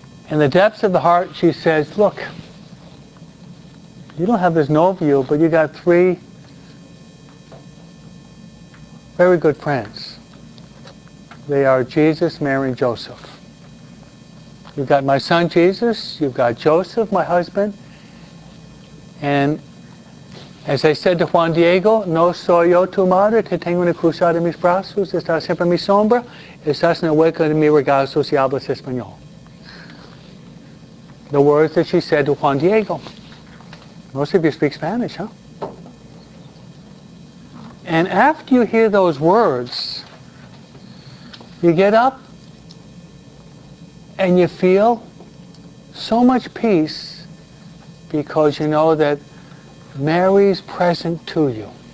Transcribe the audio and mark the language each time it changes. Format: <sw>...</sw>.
<en>In the depths of the heart, she says, look, you don't have this novio, but you got three very good friends. They are Jesus, Mary, and Joseph. You've got my son Jesus, you've got Joseph, my husband, and as I said to Juan Diego,</en> <es>no soy yo tu madre, te tengo una cruzada en mis brazos, estás siempre en mi sombra, estás en el hueco de mi regazo si hablas español.</es> <en>The words that she said to Juan Diego. Most of you speak Spanish, huh? And after you hear those words, you get up, and you feel so much peace because you know that Mary's present to you.</en>